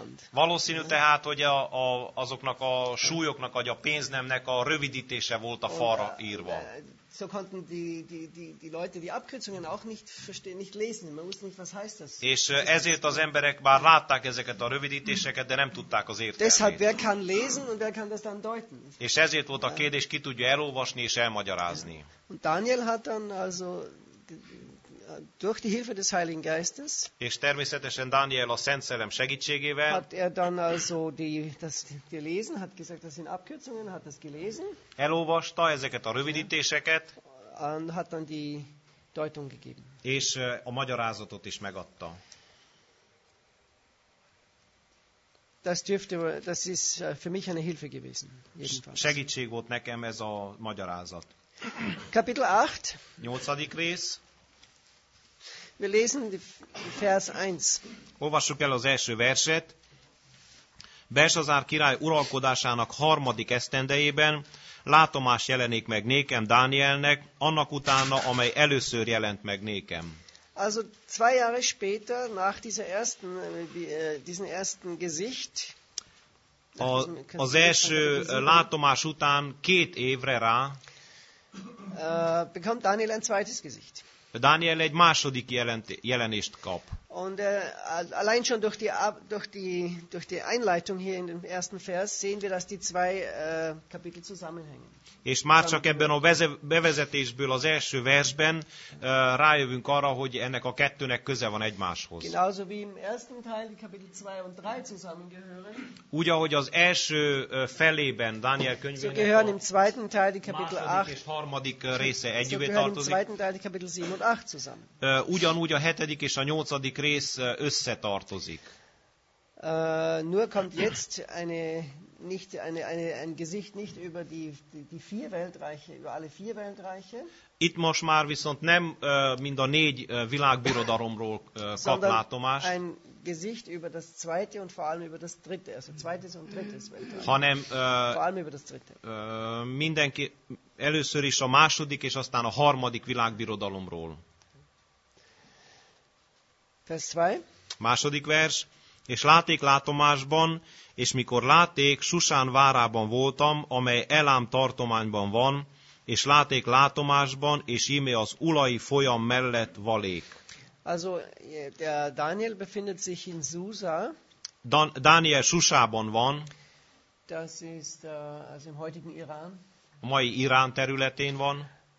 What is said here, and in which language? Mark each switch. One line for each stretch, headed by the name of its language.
Hungarian: Valószínű tehát, hogy azoknak a súlyoknak, vagy a pénznemnek a rövidítése volt a falra írva.
German: So konnten die Leute die Abkürzungen auch nicht verstehen, nicht lesen. Man wusste nicht, was heißt das.
Hungarian: És ezért az emberek bár látták ezeket a rövidítéseket, de nem tudták az értelmét.
German: Deshalb, wer kann lesen und wer kann das dann deuten?
Hungarian: És ezért volt a kérdés, ki tudja elolvasni és elmagyarázni.
German: Und Daniel hat dann also durch die Hilfe des Heiligen Geistes,
Hungarian: és természetesen Daniel a Szent Szellem segítségével,
German: hat er dann also die lesen, hat gesagt, das sind Abkürzungen, hat das gelesen,
Hungarian: elolvasta ezeket a rövidítéseket,
German: and hat dann die Deutung gegeben,
Hungarian: és a magyarázatot is megadta.
German: Das ist für mich eine Hilfe gewesen, jedenfalls.
Hungarian: Segítség volt nekem ez a magyarázat.
German: Kapitel 8,
Hungarian: 8. rész.
German: Wir lesen Vers 1.
Hungarian: Olvassuk el az első verset. Belsazár király uralkodásának harmadik esztendejében látomás jelenik meg nékem Dánielnek, annak utána, amely először jelent meg nékem.
German: Also zwei Jahre später, nach diesem ersten Gesicht.
Hungarian: Az első látomás után két évre rá.
German: Bekommt Daniel ein zweites Gesicht.
Hungarian: Daniel egy második jelenést kap.
German: Und allein schon durch die Einleitung hier in dem ersten Vers sehen wir, dass die zwei Kapitel zusammenhängen.
Hungarian: És már csak ebben a bevezetésből, az első versben rájövünk arra, hogy ennek a kettőnek köze van egymáshoz.
German: Genauso wie im ersten Teil die Kapitel 2 und 3 zusammengehören.
Hungarian: Úgy, ahogy az első felében Dániel könyvének
German: so gehören im zweiten Teil die Kapitel 8
Hungarian: és harmadik része együtt tartozik.
German: Im zweiten Teil die Kapitel 7 und 8 zusammen.
Hungarian: Ugyanúgy a hetedik és a nyolcadik rész összetartozik.
German: Nur kommt jetzt ein Gesicht nicht über die vier Weltreiche, über alle vier Weltreiche.
Hungarian: Itt most már viszont nem mind a négy világbirodalomról kap látomást.
German: Ein Gesicht über das zweite und vor allem über das dritte, also zweites und drittes Weltreich.
Hungarian: Hanem
German: vor allem über das dritte.
Hungarian: Mindenki először is a második és aztán a harmadik világbirodalomról.
German: Vers 2.
Hungarian: Második vers. És láték látomásban, és mikor láték, Susán várában voltam, amely Elám tartományban van, és láték látomásban, és íme az Ulai folyam mellett valék.
German: Also, der Daniel befindet sich in Susa.
Hungarian: Daniel Susában van.
German: Das ist also im heutigen Iran.
Hungarian: A mai Irán területén van.